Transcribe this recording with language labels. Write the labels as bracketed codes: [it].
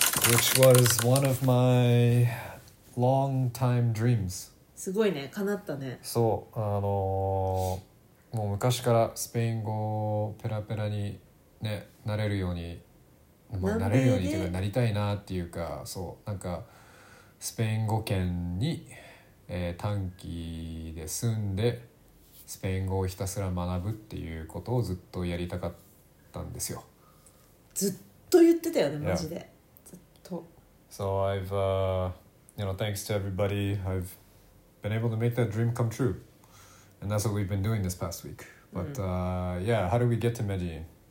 [en] Which was one of my long time dreams. [ja] すごいね、叶ったね。そう、もう昔からスペイン語をペラペラにね、なれるように、まあ、なれるようにというか、なりたいなっていうか、そう、なんかスペイン語圏に、短期で住んでスペイン語をひたすら学ぶっていうことをずっとやりたかったんですよ。ずっと言ってたよね、マジで。ずっと。 [en] So I've, you know, thanks to everybody, I've been able to make that dream come true. And that's what we've been doing this past week. But yeah, how did we get to Medellin?